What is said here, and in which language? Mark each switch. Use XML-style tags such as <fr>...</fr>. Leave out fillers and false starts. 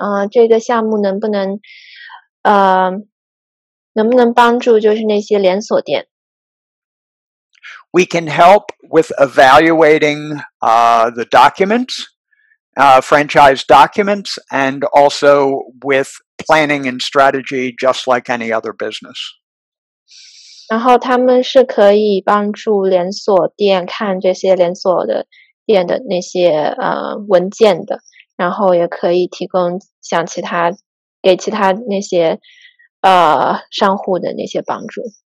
<zh>这个项目能不能能不能帮助就是那些连锁店？</zh> <en>We can help with evaluating the documents, franchise documents, and also with planning and strategy, just like any other business.</en> <zh>然后他们是可以帮助连锁店看这些连锁的店的那些文件的，然后也可以提供像其他给其他那些商户的那些帮助。</zh>